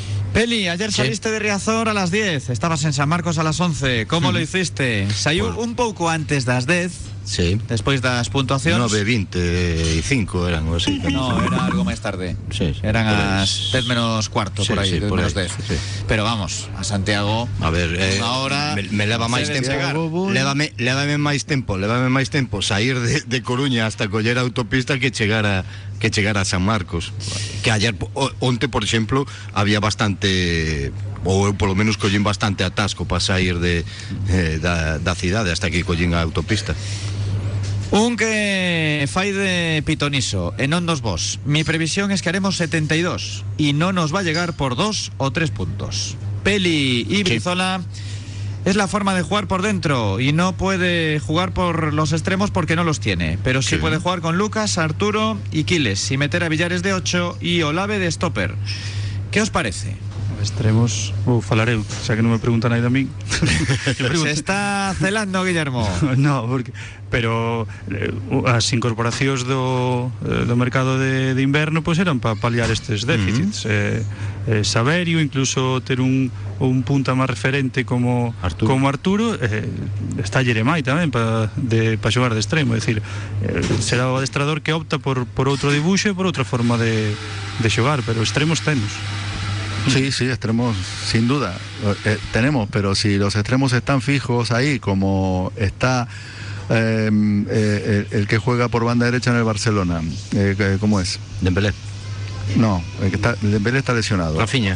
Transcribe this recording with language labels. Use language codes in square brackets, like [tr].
[es] Peli, ayer saliste de Riazor a las 10, estabas en San Marcos a las 11. Como lo hiciste? [gl] Saíu un pouco antes das 10. Sí. Despois das puntuacións. 9:25 eran, o así. No, era algo máis tarde. Sí, eran as 10 menos cuarto, sí, por aí, sí, por aí. Sí. Pero vamos, a Santiago. A ver, unha hora me leva máis tempo chegar. Levame máis tempo sair de Coruña hasta coller a autopista que chegara a San Marcos. [es] Que ayer, [gl] onte, por exemplo, había bastante, ou eu polo menos collín bastante atasco para sair da cidade hasta que collín a autopista. Un que fai de pitoniso, en ondos vos. [es] Mi previsión es que haremos 72 y no nos va a llegar por 2 o 3 puntos. Peli y Brizola es la forma de jugar por dentro y no puede jugar por los extremos porque no los tiene. Pero sí puede jugar con Lucas, Arturo y Quiles y meter a Villares de 8 y Olave de stopper. ¿Qué os parece? Extremos, [gl] falaré, [es] o sea que no me pregunta nadie a mí. Se está celando, Guillermo. No, porque, [gl] pero as incorporacións do mercado de inverno pues eran para paliar estes déficits. Saverio, incluso ter un punta máis referente como Arturo. Como Arturo, está Jeremai tamén para xogar de extremo. É dicir, será o adestrador que opta por outro dibuxo e por outra forma de xogar, pero extremos tenos. [es] Sí, extremos, sin duda, tenemos, pero si los extremos están fijos ahí, como está el que juega por banda derecha en el Barcelona, ¿cómo es? Dembélé. No, Dembélé está lesionado. Rafinha.